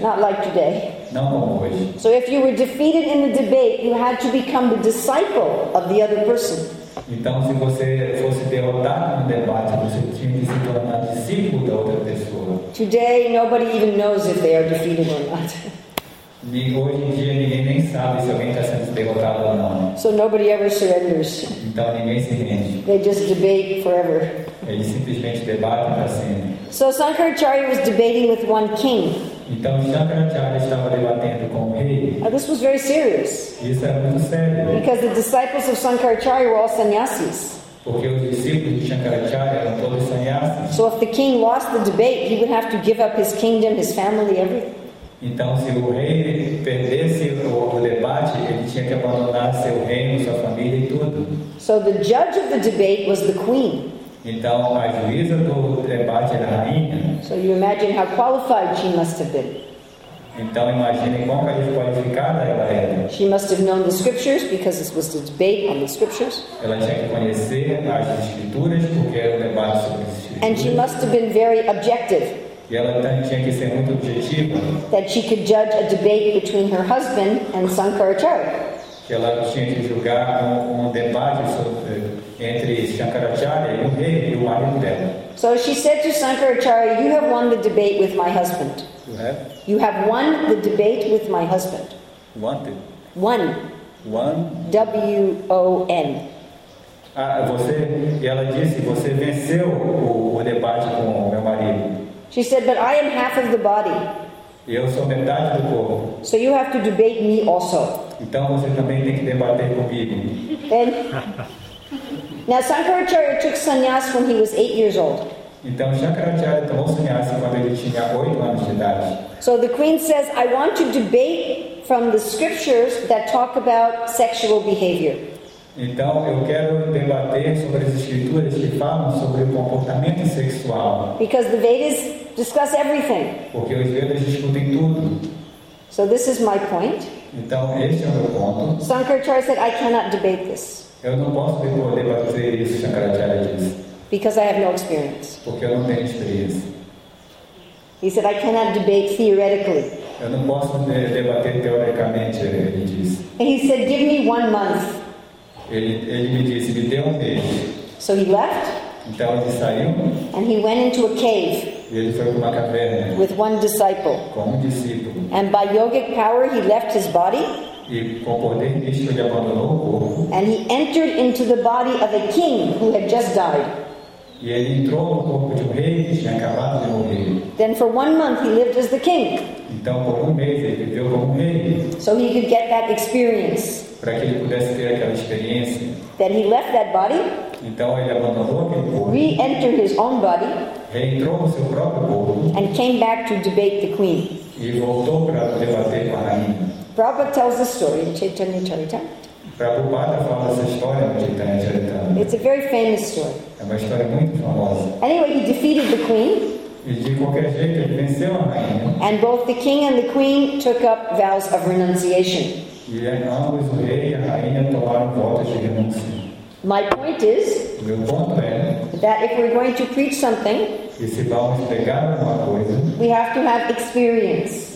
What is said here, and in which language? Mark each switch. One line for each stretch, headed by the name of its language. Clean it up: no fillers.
English: Not like today.
Portuguese: Não como hoje.
English: So if you were defeated in the debate, you had to become the disciple of the other person.
Portuguese: Então, se você fosse derrotado no debate, você tinha que se tornar discípulo da outra pessoa.
English: Today, nobody even knows if they are defeated or not.
Portuguese: E hoje em dia ninguém nem sabe se alguém está sendo derrotado ou não.
English: So nobody ever surrenders.
Portuguese: Então ninguém se rende.
English: They just debate forever.
Portuguese: Eles simplesmente debatem para sempre.
English: So Shankaracharya was debating with one king.
Portuguese: Então Shankaracharya estava debatendo com um rei.
English: Now, this was very serious.
Portuguese: Isso era muito sério.
English: Because the disciples of Shankaracharya were all sannyasis.
Portuguese: Porque os discípulos de Shankaracharya eram todos sannyasis.
English: So if the king lost the debate, he would have to give up his kingdom, his family, everything.
Portuguese: Então, se o rei perdesse o debate, ele tinha que abandonar seu reino, sua família e tudo.
English: So the judge of the debate was the queen.
Portuguese: Então, a juíza do debate era a rainha.
English: So you imagine how qualified she must have been.
Portuguese: Então, imagine quão qualificada ela era.
English: She must have known the scriptures because this was the debate on the scriptures.
Portuguese: Ela tinha que conhecer as escrituras porque era o debate sobre as escrituras.
English: And she must have been very objective.
Portuguese: E ela tinha que ser muito objetiva.
English: That she could judge a debate between her husband and Shankaracharya.
Portuguese: Que ela tinha que julgar um debate entre Shankaracharya e o rei e o marido dela.
English: So she said to Shankaracharya, "You have won the debate with my husband." You have? You have won the debate with my husband. Won. Won. W-O-N.
Portuguese: Ah, você. E ela disse, você venceu o debate com o meu marido.
English: She said, but I am half of the body.
Portuguese: Eu sou metade do corpo.
English: So you have to debate me also.
Portuguese: Então você também tem que debater comigo.
English: And now Shankaracharya took sannyas when he was 8 years old.
Portuguese: Então Shankaracharya tomou sannyas quando ele tinha 8 anos de idade.
English: So the queen says, I want to debate from the scriptures that talk about sexual behavior.
Portuguese: Então eu quero debater sobre as escrituras que falam sobre o comportamento sexual.
English: Because the Vedas discuss everything.
Portuguese: Porque os Vedas discutem tudo.
English: So this is my point.
Portuguese: Então esse é o meu ponto.
English: Shankaracharya said, I cannot debate this.
Portuguese: Eu não posso debater isso, Shankaracharya disse.
English: Because I have no experience.
Portuguese: Porque eu não tenho experiência.
English: He said, I cannot debate theoretically.
Portuguese: Eu não posso debater teoricamente, ele disse.
English: And he said, give me 1 month.
Portuguese: Ele me disse, me dê mês.
English: So he left.
Portuguese: Então ele saiu.
English: And he went into a cave.
Portuguese: E ele foi para uma caverna.
English: With one disciple.
Portuguese: Com discípulo.
English: And by yogic power he left his body.
Portuguese: E com poder místico ele abandonou o corpo.
English: And he entered into the body of a king who had just died.
Portuguese: E ele entrou no corpo de um rei que tinha acabado de morrer.
English: Then for 1 month he lived as the king.
Portuguese: Então por 1 mês ele viveu como rei.
English: So he could get that experience.
Portuguese: Para que ele pudesse ter aquela experiência.
English: Then he left that body.
Portuguese: Então ele abandonou aquele corpo.
English: Re-entered his own body.
Portuguese: Reentrou no seu próprio corpo.
English: And came back to debate the queen.
Portuguese: E voltou para debater com a rainha.
English: Prabhupada tells the story in Chaitanya Charitamrita.
Portuguese: Prabhupada fala essa história no Chaitanya Charitamrita.
English: It's a very famous story.
Portuguese: É uma história muito famosa.
English: Anyway, he defeated the queen.
Portuguese: E de qualquer jeito ele venceu a rainha.
English: And both the king and the queen took up vows of renunciation.
Portuguese: E ambos, o rei e a rainha, tomaram votos de renúncia.
English: My point is,
Portuguese: meu ponto é,
English: that if we're going to preach something,
Portuguese: e se vamos pregar alguma coisa,
English: we have to have experience.